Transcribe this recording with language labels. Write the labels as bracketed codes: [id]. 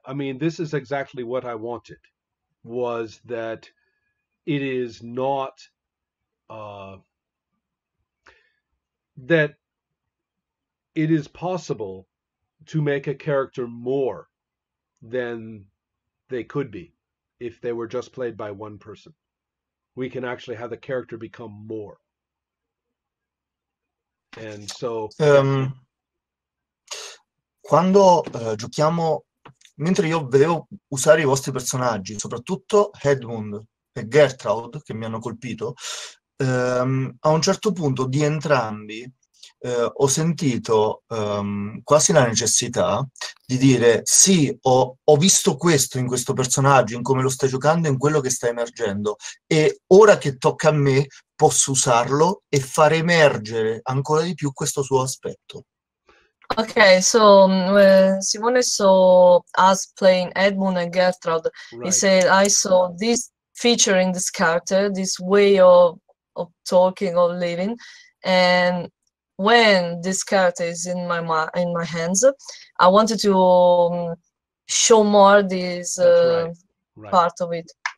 [en] I mean, this is exactly what I wanted, was that it is not that it is possible to make a character more than they could be if they were just played by one person. We can actually have the character become more. And so [it] quando giochiamo, mentre io vedevo usare I vostri personaggi, soprattutto Edmund e Gertrude che mi hanno colpito, a un certo punto di entrambi ho sentito quasi la necessità di dire sì, ho visto questo in questo personaggio, in come lo stai giocando, in quello che sta emergendo e ora che tocca a me posso usarlo e far emergere ancora di più questo suo aspetto. [en] Ok, so Simone saw us playing Edmund and Gertrude. Right. He said, I saw this feature in this character, this way of talking, of living, and when this character is in my hands, I wanted to show more this part of it.